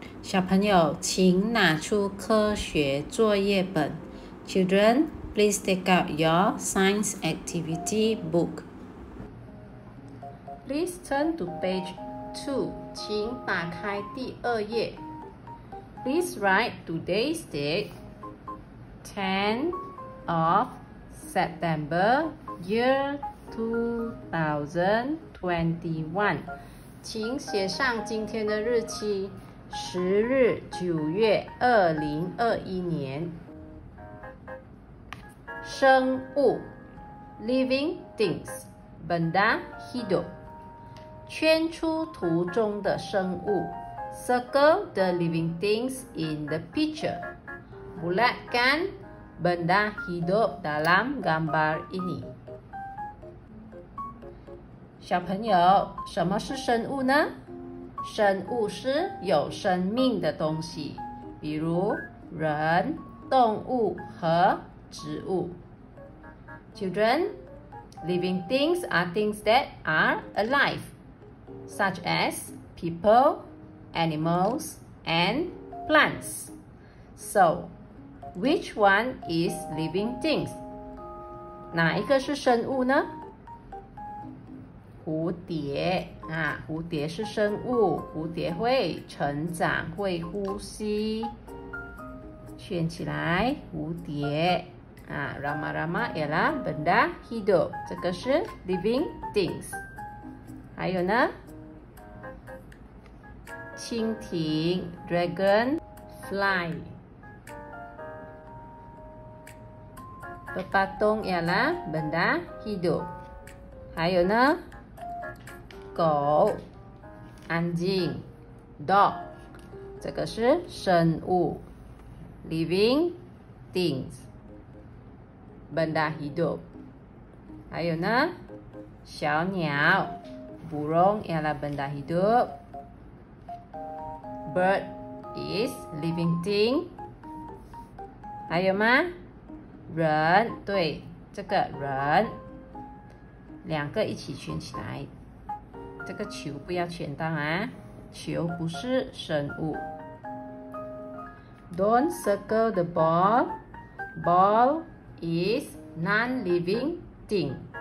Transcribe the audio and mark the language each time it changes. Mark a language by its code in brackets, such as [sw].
[zh] 小朋友，请拿出科学作业本。 [en] Children, please take out your science activity book. Please turn to page 2. [zh] 请打开第二页。 [en] Please write today's date, 10 of September, year 2021. [zh] 请写上今天的日期。十日，九月，2021年。生物 ，living things， benda hidup。圈出图中的生物 ， [en] circle the living things in the picture。 [ms] Bulatkan benda hidup dalam gambar ini。 [zh] 小朋友，什么是生物呢？生物是有生命的东西，比如人、动物和植物。 [en] Children, living things are things that are alive, such as people, animals, and plants. So, which one is living things? [zh] 哪一个是生物呢？蝴蝶啊，蝴蝶是生物，蝴蝶会成长，会呼吸。圈起来，蝴蝶 [ms] 啊 ，rama-rama ialah benda hidup， [zh] 这个是 [ms] living things。 [zh] 还有呢，蜻蜓 ，dragonfly。 [ms] pepatong ialah benda hidup。 [zh] 还有呢？狗 ，anjing， dog， 这个是生物 ，living things， benda hidup。还有呢， [ms] 小鸟 ，burung ialah benda hidup， [en] bird is living thing。 [zh] 还有吗？人，对，这个人，两个一起圈起来。这个球不要圈到啊，球不是生物。 [en] Don't circle the ball. Ball is non-living thing.